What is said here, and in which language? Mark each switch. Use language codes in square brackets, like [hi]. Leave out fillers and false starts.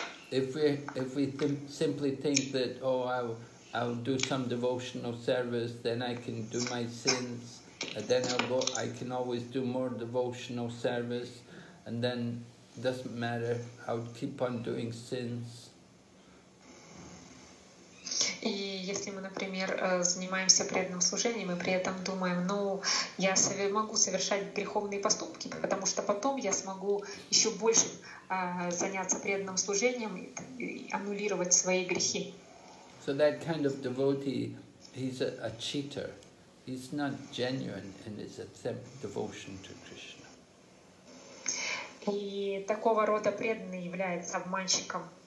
[en] If we simply think that, oh, I'll do some devotional service, then I can do my sins, and then I can always do more devotional service, and then it doesn't matter, I'll keep on doing sins. [ru] И если мы, например, занимаемся преданным служением, и при этом думаем, ну, я могу совершать греховные поступки, потому что потом я смогу еще больше заняться преданным служением и аннулировать свои грехи. [en] So that kind of devotee, he's a cheater. He's not genuine in his attempt devotion to Krishna. [ru] И такого рода преданный является обманщиком.